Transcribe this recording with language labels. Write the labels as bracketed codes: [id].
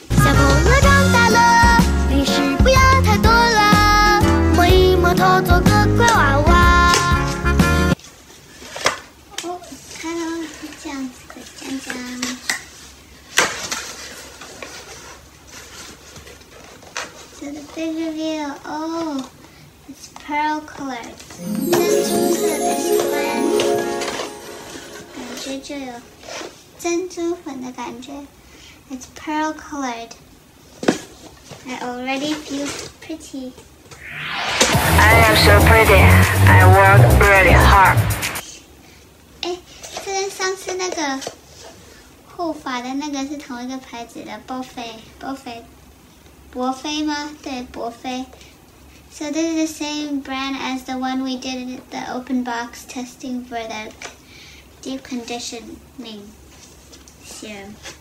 [zh] 小朋友长大了，零食不要太多了，摸一摸头，做个乖娃娃。哦，看到是这样子的，江江。 [en] So the big reveal, oh, it's pearl colored. [zh] 珍珠色的喜欢，感觉就有珍珠粉的感觉。 [en] It's pearl colored. I already feel pretty. I am so pretty. I work really hard. [zh] 哎，这跟上次那个护发的那个是同一个牌子的，波菲，波菲。博菲吗？对，博菲。 [en] So this is the same brand as the one we did the open box testing for the deep conditioning serum.